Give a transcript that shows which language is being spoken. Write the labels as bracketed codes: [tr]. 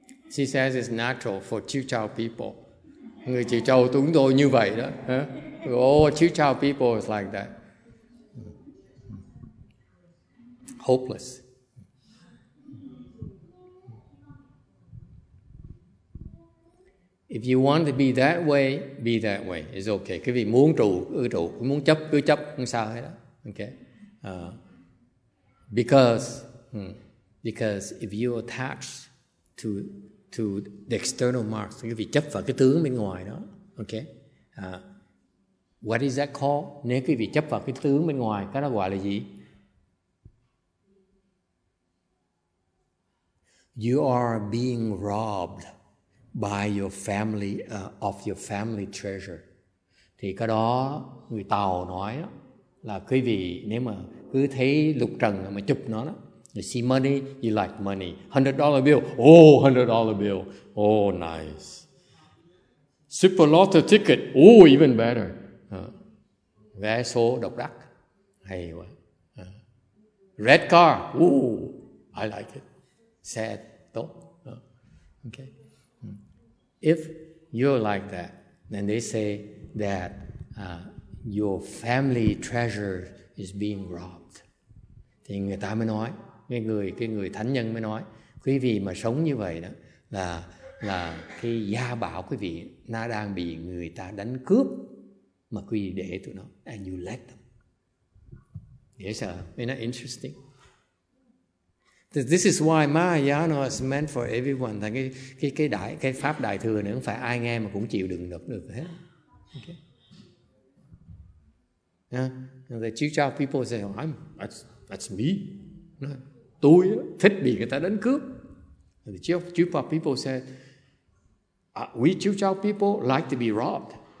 [en] She says it's natural for Chiu Chau people. [vi] Người Chiu Chau chúng tôi như vậy đó. [en] Huh? Oh, Chiu Chau people is like that. Hopeless. If you want to be that way, it's okay. [vi] Cái vị muốn trụ, cứ trụ. Muốn chấp, cứ chấp, không sao hết đó. Okay. [en] Because if you attach to the external marks, [vi] cái vị chấp vào cái tướng bên ngoài đó. Okay. [en] What is that called? [vi] Nếu cái vị chấp vào cái tướng bên ngoài, cái đó gọi là gì? [en] You are being robbed by your family of your family treasure. [vi] Thì cái đó người Tàu nói đó, là quý vị nếu mà cứ thấy lục trần mà chụp nó đó, [en] you see money, you like money, $100 bill, oh $100 bill, oh nice, super lotto ticket, oh even better, [vi] vé số độc đắc, hay quá, [en] red car, oh I like it, [vi] xe tốt, [en] okay. If you're like that, then they say that your family treasure is being robbed. [vi] Thì người ta mới nói, cái người thánh nhân mới nói, quý vị mà sống như vậy đó là cái gia bảo quý vị nó đang bị người ta đánh cướp mà quý vị để tụi nó, [en] and you let them. Yes, sir. Isn't that interesting? This is why Mahayana is meant for everyone. [vi] Thành cái pháp đại thừa này không phải ai nghe mà cũng chịu đựng được hết. [en] Okay. Yeah. The Chư Chao people say, oh, that's me. No. [vi] Tôi thích bị người ta đánh cướp. [en] And the Chư Chao people say, we Chư Chao people like to be robbed.